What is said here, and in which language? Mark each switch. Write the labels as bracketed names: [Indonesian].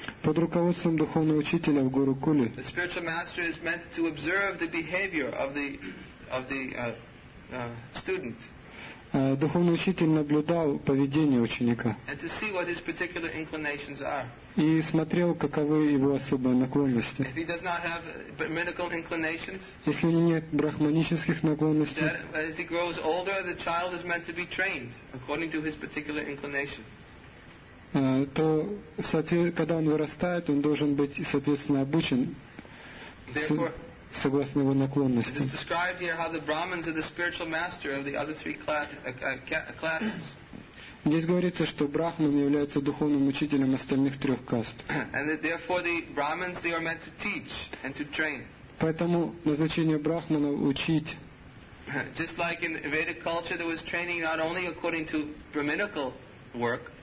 [Russian] Под руководством духовного учителя в Гурукуле. [English] The spiritual master is meant to observe the behavior of the student. [Russian] Духовный учитель наблюдал поведение ученика. [English] And to see what his particular inclinations are. [Russian] И смотрел, каковы его особые наклонности. [English] If he does not have brahminical inclinations, [Russian] если у него нет брахманических наклонностей, [English] that as he grows older, the child is meant to be trained according to his particular inclination. [Russian] То, когда он вырастает, он должен быть, соответственно, обучен. Согласно его наклонности. [English] It is described here how the Brahmins are the spiritual master of the other three classes. [Russian] Здесь говорится, что Брахман является духовным учителем остальных трех каст. [English] And that therefore the Brahmins, they are meant to teach and to train. [Russian] Поэтому назначение Брахмана учить. [English] Just like in Vedic culture, there was training not only according to brahminical work.